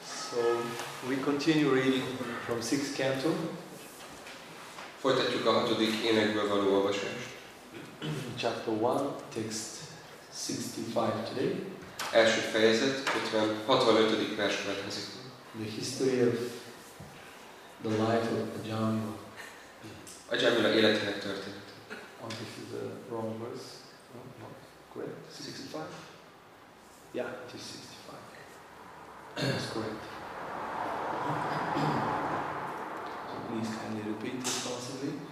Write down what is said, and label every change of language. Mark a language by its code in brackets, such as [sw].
[en] So we continue reading from sixth canto. [hu] Folytatjuk a hatodik énekből való olvasást. [en] Chapter 1, text 65 today. [hu] Első fejezet, 65. vers következik. [en] The history of the life of Ajamila. [hu] Ajamila életének történt. [en] Oh, this is the wrong verse. No, not correct. 65? Yeah, it is 65. That's correct. So please kindly repeat it possibly.